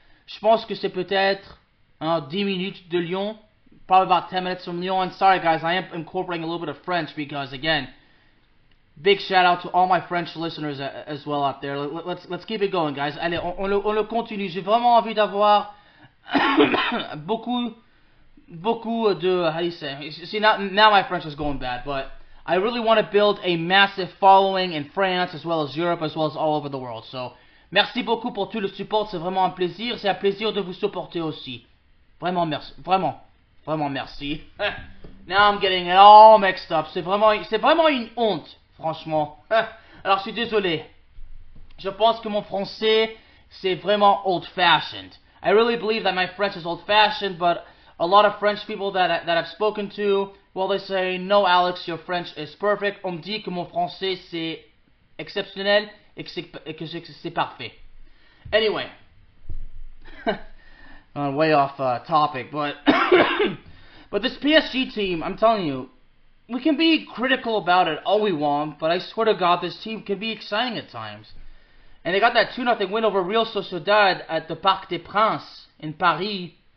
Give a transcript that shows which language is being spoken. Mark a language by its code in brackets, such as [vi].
[fr] Je pense que c'est peut-être 10 minutes de Lyon. [en] Probably about 10 minutes from Lyon. And sorry, guys. I am incorporating a little bit of French because, again, big shout out to all my French listeners as well out there. Let's keep it going, guys. [fr] Allez, on le continue. J'ai vraiment envie d'avoir beaucoup de. [en] How do you say? See, now my French is going bad, but I really want to build a massive following in France, as well as Europe, as well as all over the world. [fr] So, merci beaucoup pour tout le support. C'est vraiment un plaisir. C'est un plaisir de vous supporter aussi. Vraiment merci. Vraiment. Vraiment merci. [en] Now I'm getting it all mixed up. [fr] C'est vraiment une honte, franchement. Alors, je suis désolé. Je pense que mon français, c'est vraiment old-fashioned. [en] I really believe that my French is old-fashioned, but a lot of French people that I've spoken to, well, they say, no, Alex, your French is perfect. [fr] On me dit que mon français, c'est exceptionnel et que c'est parfait. [en] Anyway, I'm way off topic, but but this PSG team, I'm telling you, we can be critical about it all we want, but I swear to God, this team can be exciting at times. And they got that 2-0 win over Real Sociedad at the Parc des Princes in Paris.